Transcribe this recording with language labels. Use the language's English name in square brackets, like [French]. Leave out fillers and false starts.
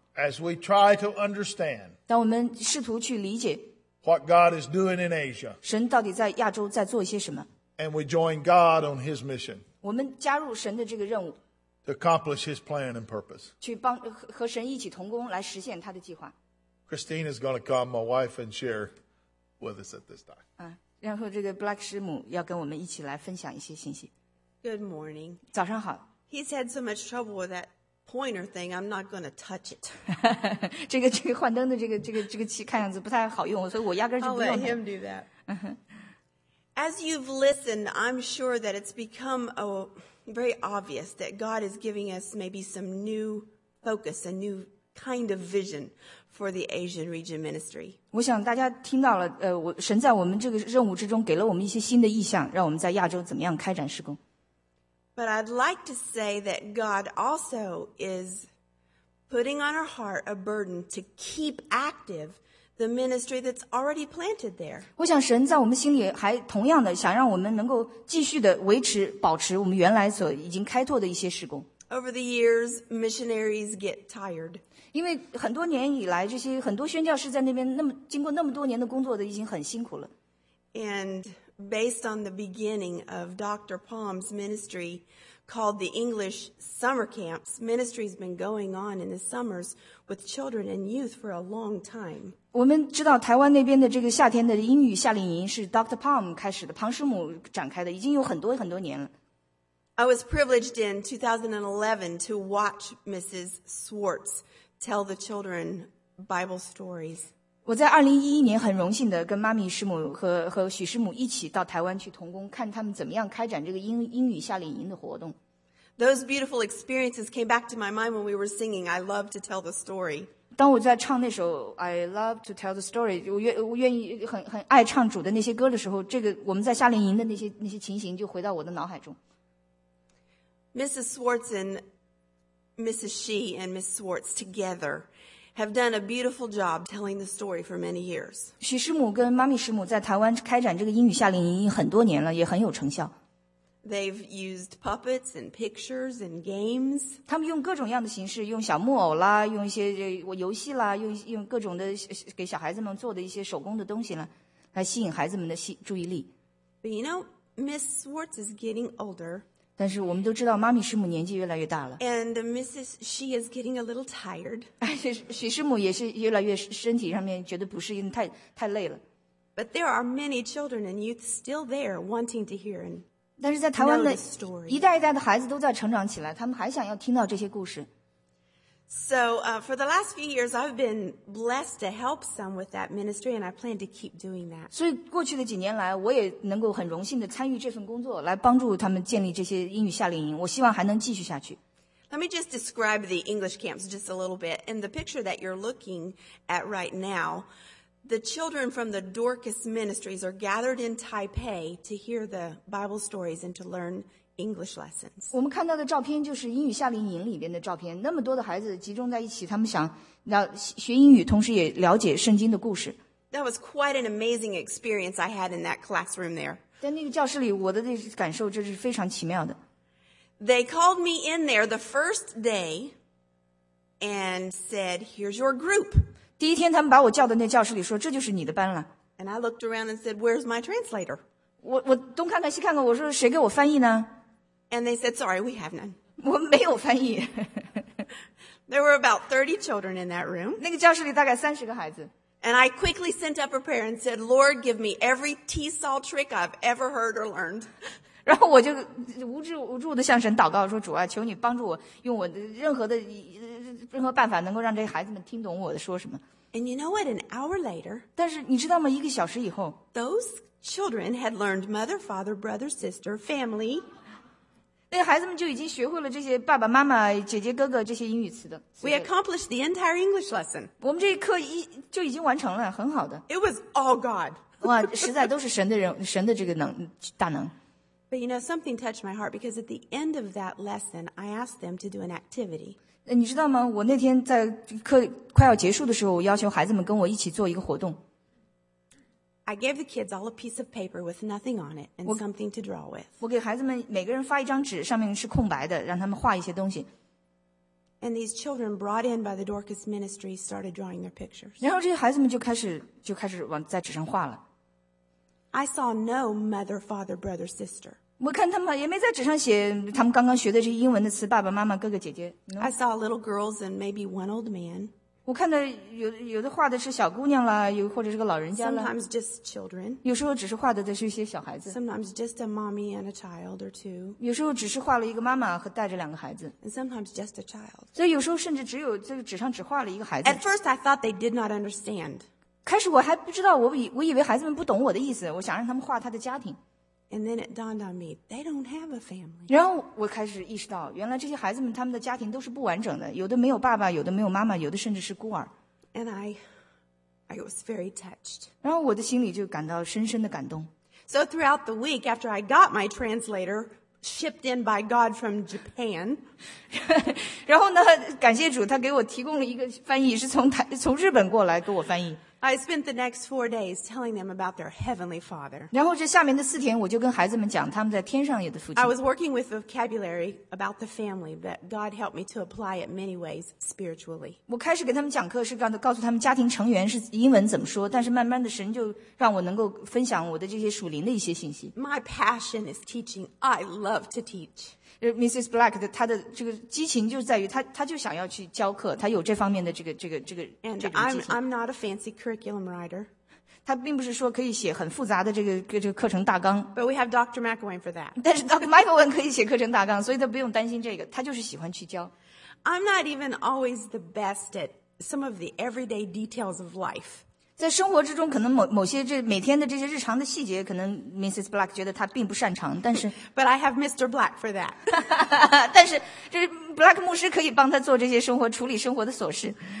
[English] As we try to understand. [Chinese] 当我们试图去理解。 [English] What God is doing in Asia. [Chinese] 神到底在亚洲在做一些什么。 [English] And we join God on his mission. [Chinese] 我们加入神的这个任务。 [English] To accomplish his plan and purpose. [Chinese] 去帮和神一起同工来实现他的计划。 [English] Christine is going to come, my wife, and share with us at this time. [Chinese] 然后这个 Black 师母要跟我们一起来分享一些信息。 [English] Good morning. [Chinese] 早上好。 [English] He's had so much trouble with that pointer thing, I'm not going to touch it. [Chinese] 这个幻灯的这个器看样子不太好用，所以我压根就不用。 [English] I'll let him do that. As you've listened, I'm sure that it's become very obvious that God is giving us maybe some new focus, a new kind of vision for the Asian region ministry. [Chinese] 我想大家听到了，神在我们这个任务之中给了我们一些新的意向，让我们在亚洲怎么样开展事工。 [English] But I'd like to say that God also is putting on our heart a burden to keep active the ministry that's already planted there. [Chinese] 我想神在我们心里还同样的想让我们能够继续的维持保持我们原来所已经开拓的一些事工。 [English] Over the years, missionaries get tired. [Chinese] 因为很多年以来，这些很多宣教士在那边那么经过那么多年的工作的已经很辛苦了。 [English] And based on the beginning of Dr. Palm's ministry, called the English Summer Camps, ministry has been going on in the summers with children and youth for a long time. [Chinese] 我们知道台湾那边的这个夏天的英语夏令营是 Dr. Palm 开始的，庞师母展开的，已经有很多很多年了。 [English] I was privileged in 2011 to watch Mrs. Swartz tell the children Bible stories. [Chinese] 我在2011年很荣幸的跟妈咪师母和许师母一起到台湾去同工，看他们怎么样开展这个英语夏令营的活动。 [English] Those beautiful experiences came back to my mind when we were singing, I love to tell the story. [Chinese] 当我在唱那首 [English] I love to tell the story, [Chinese] 我愿意很爱唱主的那些歌的时候，这个我们在夏令营的那些情形就回到我的脑海中。 [English] Mrs. Swartz and Mrs. Shee and Miss Swartz together have done a beautiful job telling the story for many years. [Chinese] 许师母跟妈咪师母在台湾开展这个英语夏令营很多年了，也很有成效。 [English] They've used puppets and pictures and games. [Chinese] 他们用各种样的形式，用小木偶啦，用一些游戏啦，用各种的给小孩子们做的一些手工的东西了，来吸引孩子们的注意力。 [English] But you know, Miss Swartz is getting older. [Chinese] 但是我们都知道妈咪师母年纪越来越大了。 [English] And Mrs. She is getting a little tired. [Chinese] 许师母也是越来越身体上面觉得不适应，太累了。 [English] But there are many children and youth still there wanting to hear and know the story. [Chinese] 但是在台湾的一代一代的孩子都在成长起来，他们还想要听到这些故事。 [English] So, for the last few years, I've been blessed to help some with that ministry, and I plan to keep doing that. [Chinese] 所以过去的几年来，我也能够很荣幸地参与这份工作，来帮助他们建立这些英语夏令营。我希望还能继续下去。 [English] Let me just describe the English camps just a little bit. In the picture that you're looking at right now, the children from the Dorcas Ministries are gathered in Taipei to hear the Bible stories and to learn English lessons. [Chinese] 我们看到的照片就是英语夏令营里边的照片，那么多的孩子集中在一起，他们想要学英语，同时也了解圣经的故事。 [English] That was quite an amazing experience I had in that classroom there. [Chinese] 在那个教室里，我的那感受这是非常奇妙的。 [English] They called me in there the first day and said, "Here's your group." [Chinese] 第一天，他们把我叫到那教室里说，这就是你的班了。 [English] And I looked around and said, "Where's my translator?" [Chinese] 我东看看西看看，我说谁给我翻译呢？ [English] And they said, sorry, we have none. [Chinese] 我没有翻译。 [English] There were about 30 children in that room. [Chinese] 那个教室里大概30个孩子。 [English] And I quickly sent up a prayer and said, Lord, give me every T-saw trick I've ever heard or learned. [Chinese] 然后我就无助地向神祷告说，主啊，求你帮助我，用我的任何办法能够让这些孩子们听懂我说什么。 [English] And you know what? An hour later, [Chinese] 但是你知道吗？一个小时以后 [English] those children had learned mother, father, brother, sister, family, [Chinese] 那个、孩子们就已经学会了这些爸爸妈妈姐姐哥哥这些英语词的。 [English] We accomplished the entire English lesson. [Chinese] 我们这一课就已经完成了，很好的。 [English] It was all God. [Chinese] 哇，实在都是神的这个能大能。 [English] But you know, something touched my heart because at the end of that lesson, I asked them to do an activity. [Chinese] 你知道吗？我那天在课快要结束的时候，我要求孩子们跟我一起做一个活动。 [English] I gave the kids all a piece of paper with nothing on it and something to draw with. [Chinese] 我给孩子们每个人发一张纸，上面是空白的，让他们画一些东西。 [English] And these children brought in by the Dorcas Ministry started drawing their pictures. [Chinese] 然后这些孩子们就开始往在纸上画了。 [English] I saw no mother, father, brother, sister. [Chinese] 我看他们也没在纸上写他们刚刚学的这些英文的词，爸爸妈妈，哥哥姐姐。 [English] I saw little girls and maybe one old man. [Chinese] 我看到有的画的是小姑娘啦，有或者是个老人家啦。 [English] Sometimes just children. [Chinese] 有时候只是画的是一些小孩子。 [English] Sometimes just a mommy and a child or two. [Chinese] 有时候只是画了一个妈妈和带着两个孩子。 [English] And sometimes just a child. [Chinese] 所以有时候甚至只有这个纸上只画了一个孩子。 [English] At first, I thought they did not understand. [Chinese] 开始我还不知道，我以为孩子们不懂我的意思，我想让他们画他的家庭。 [English] And then it dawned on me, they don't have a family. [Chinese] 然后我开始意识到，原来这些孩子们他们的家庭都是不完整的，有的没有爸爸，有的没有妈妈，有的甚至是孤儿。 [English] And I was very touched. [Chinese] 然后我的心里就感到深深的感动。 [English] So throughout the week after I got my translator shipped in by God from Japan, [Chinese] 然后呢，感谢主，他给我提供了一个翻译，是从日本过来给我翻译。 [English] I spent the next 4 days telling them about their heavenly father. [Chinese] 然后这下面的四天，我就跟孩子们讲他们在天上有的父亲。 [English] I was working with vocabulary about the family, but God helped me to apply it many ways spiritually. [Chinese] 我开始给他们讲课是告诉他们家庭成员是英文怎么说，但是慢慢的神就让我能够分享我的这些属灵的一些信息。 [English] My passion is teaching. I love to teach. Mrs. [Chinese] Black 的她的这个激情就在于她就想要去教课，她有这方面的这个激情。 [English] I'm not a fancy curriculum writer. [Chinese] 她并不是说可以写很复杂的这个课程大纲。 [English] But we have Dr. McElwain for that. [Chinese] 但是 Dr. McElwain 可以写课程大纲，所以她不用担心这个，她就是喜欢去教。 [English] I'm not even always the best at some of the everyday details of life. [Chinese] 在生活之中，可能某些这每天的这些日常的细节，可能 Mrs. Black 觉得她并不擅长，但是 [English] But I have Mr. Black for that. [Chinese] 但是就是 Black 牧师可以帮她做这些生活处理生活的琐事。